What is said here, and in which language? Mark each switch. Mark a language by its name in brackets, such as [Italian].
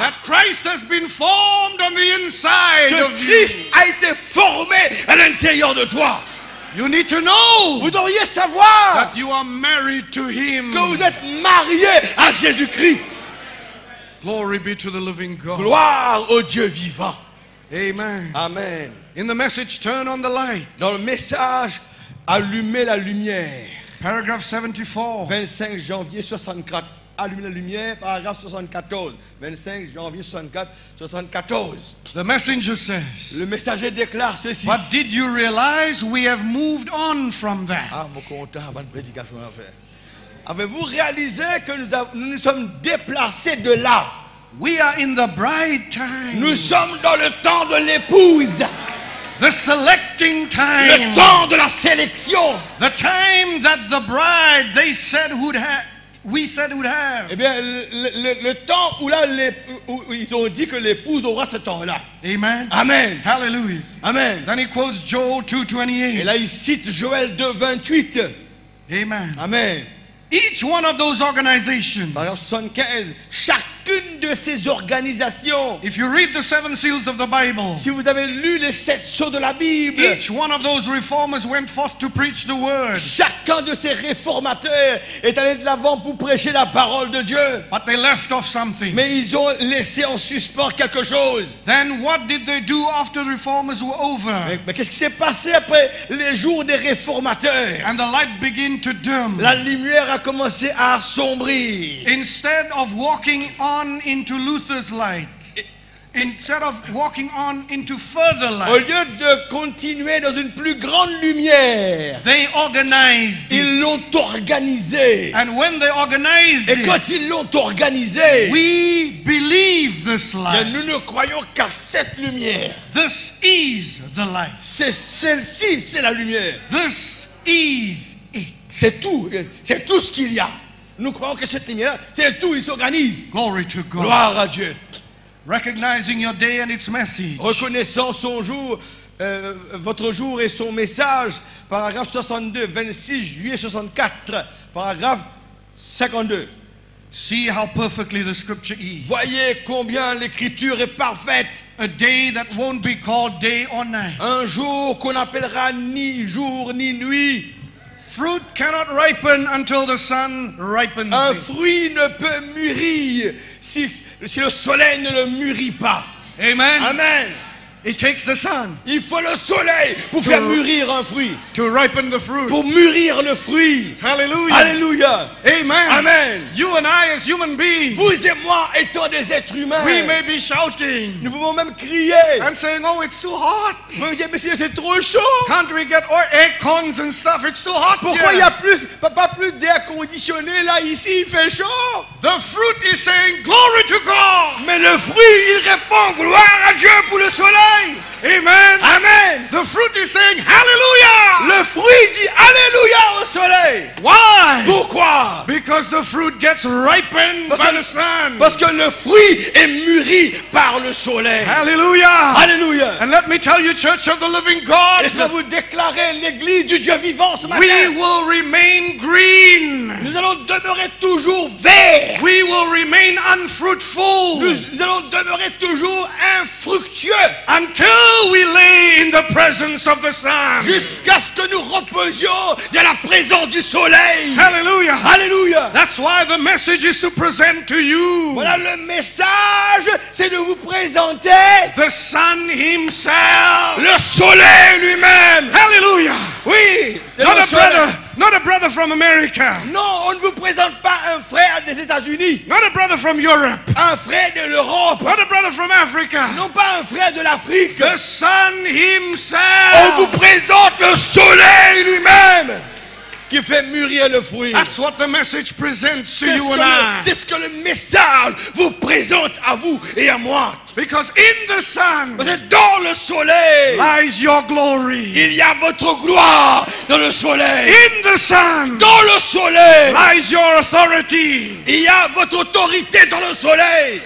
[English] That Christ has been formed on the inside of you. [French] Que Christ a été formé à l'intérieur de toi. [English] You need to know. [French] Vous devriez savoir. [English] That you are married to him. [French] Que vous êtes marié à Jésus-Christ. [English] Glory be to the living God. [French] Gloire au Dieu vivant. [English] Amen. [French] Amen. [English] In the message, turn on the light. [French] Dans le message, allumez la lumière. [English] Paragraph 74. [French] 25 janvier 64. Allumez la lumière. Paragraph 74. 25 janvier 74. [English] The messenger says. [French] Le messager déclare ceci. [English] But did you realize we have moved on from that? [French] Ah, mon content avant de prédication en fait. Avez-vous réalisé que nous sommes déplacés de là? [English] We are in the bride time. [French] Nous sommes dans le temps de l'épouse. [English] The selecting time. [French] Le temps de la sélection. [English] The time that the bride they said would have. We said would have. [French] Eh bien, le temps où là les où ils ont dit que l'épouse aura ce temps-là. [English] Amen. [French] Amen. [English] Hallelujah. [French] Amen. [English] Then he quotes Joel 2:28. [French] Et là il cite Joël 2:28. [English] Amen. [French] Amen. [English] Each one of those organizations. [French] Par exemple, 75, chacune de ces organisations. [English] If you read the seven seals of the Bible. [French] Si vous avez lu les sept sceaux de la Bible. [English] Each one of those reformers went forth to preach the word. [French] Chacun de ces réformateurs est allé de l'avant pour prêcher la parole de Dieu. [English] But they left off something. [French] Mais ils ont laissé en suspens quelque chose. [English] Then what did they do after the reformers were over? [French] Mais qu'est-ce qui s'est passé après les jours des réformateurs? [English] And the light began to dim. [French] La lumière a commencé à assombrir. [English] Instead of walking on into Luther's light, instead of walking on into further light, [French] au lieu de continuer dans une plus grande lumière, [English] they organized. [French] Ils l'ont organisé. [English] And when they organized, [French] et quand ils l'ont organisé, [English] we believe this light. [French] Nous ne croyons qu'à cette lumière. [English] This is the light. [French] C'est celle-ci, c'est la lumière. [English] This is. [French] C'est tout ce qu'il y a. Nous croyons que cette lumière, c'est tout, il s'organise. [English] Glory to God. [French] Gloire à Dieu. [English] Recognizing your day and its message. [French] Reconnaissant son jour, votre jour et son message, paragraphe 62, 26 juillet 64, paragraphe 52. [English] See how perfectly the scripture is. [French] Voyez combien l'écriture est parfaite. [English] A day that won't be called day or night. [French] Un jour qu'on n'appellera ni jour ni nuit. [English] Fruit cannot ripen until the sun ripens. [French] Un fruit ne peut mûrir si le soleil ne le mûrit pas. [English] Amen. [French] Amen. [English] It takes the sun. [French] Il faut le soleil pour faire mûrir un fruit. [English] To ripen the fruit. [French] Pour mûrir le fruit. [English] Hallelujah. [French] Hallelujah. [English] Amen. [French] Amen. [English] You and I as human beings. [French] Vous et moi étant des êtres humains. [English] We may be shouting. [French] Nous pouvons même crier. [English] And saying, oh, it's too hot. [French] Mais vous dites, monsieur, c'est trop chaud. [English] Can't we get our air cons and stuff? It's too hot. [French] Pourquoi il y a plus, pas plus d'air conditionné là ici? Il fait chaud. [English] The fruit is saying glory to God. [French] Mais le fruit, il répond gloire à Dieu pour le soleil. [English] Amen. [French] Amen. [English] The fruit is saying hallelujah. [French] Le fruit dit alléluia au soleil. [English] Why? [French] Pourquoi? [English] Because the fruit gets ripened by the sun. [French] Parce que le fruit est mûri par le soleil. [English] Hallelujah. [French] Hallelujah. [English] And let me tell you, Church of the Living God. [French] Et je vais vous déclarer l'église du Dieu vivant ce matin. [English] We will remain green. [French] Nous allons demeurer toujours verts. [English] We will remain unfruitful. [French] Nous allons demeurer toujours infructueux. [English] Until we lay in the presence of the sun. [French] Jusqu'à ce que nous reposions dans la présence du soleil. [English] Hallelujah. [French] Hallelujah. [English] That's why the message is to present to you. [French] Voilà le message, c'est de vous présenter [English] the sun himself. [French] Le soleil lui-même. [English] Hallelujah. [French] Oui, c'est [English] not [French] le [English] a [French] soleil. [English] Brother, not a brother from America. [French] Non, on ne vous présente pas un frère des États-Unis. [English] Not a brother from Europe. [French] Un frère de l'Europe. [English] Not a brother from Africa. [French] Non, pas un frère de l'Afrique. [English] The sun himself. [French] On vous présente le soleil lui-même qui fait mûrir le fruit. [English] That's what the message presents to you and I. [French] C'est ce que le message vous présente à vous et à moi. [English] Because in the sun, [French] parce que dans le soleil, [English] lies your glory. [French] Il y a votre gloire dans le soleil. [English] In the sun, [French] dans le soleil, [English] lies your authority. [French] Il y a votre autorité dans le soleil.